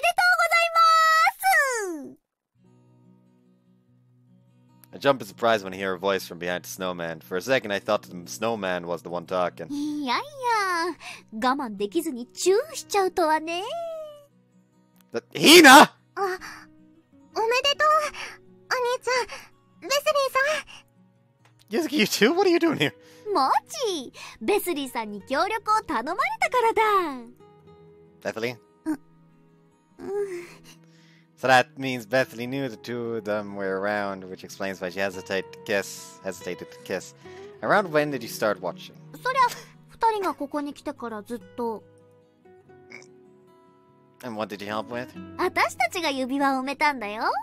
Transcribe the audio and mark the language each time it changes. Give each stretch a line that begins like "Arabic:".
Japanese: おめでとうございます!
English: I jump in surprise when I hear a voice from behind the snowman. For a second, I thought the snowman was the one talking.
Japanese: いやいや、我慢できずにチューしちゃうとはね。
English: Hina!
Japanese: おめでとう、お兄ちゃん、ベスリーさん。
English: Yuzuki, you too? What are you doing here?
Japanese: もち、ベスリーさんに協力を頼まれたからだ。
English: Bethly? So that means Bethly knew the two of them were around, which explains why she hesitated to kiss. Around when did you start watching?
Japanese: そりゃ、二人がここに来てからずっと...
English: And what did you help with?
Japanese: 私たちが指輪を埋めたんだよ!